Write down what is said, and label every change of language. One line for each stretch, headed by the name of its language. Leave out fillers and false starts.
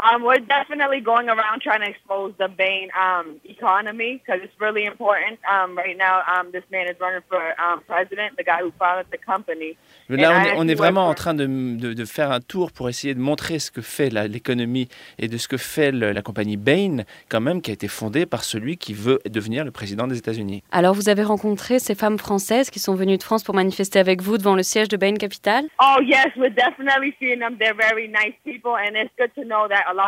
English: We're definitely going around trying to expose the Bain economy because it's really important. Right now, this man is running for president, the guy who founded the company.
French: Mais là, on est vraiment en train de faire un tour pour essayer de montrer ce que fait l'économie et de ce que fait la compagnie Bain, quand même, qui a été fondée par celui qui veut devenir le président des États-Unis. Alors, vous avez rencontré ces femmes françaises qui sont venues de France pour manifester avec vous devant le siège de Bain Capital?
English: Oh, yes, we're definitely seeing them. They're very nice people, and it's good to know that.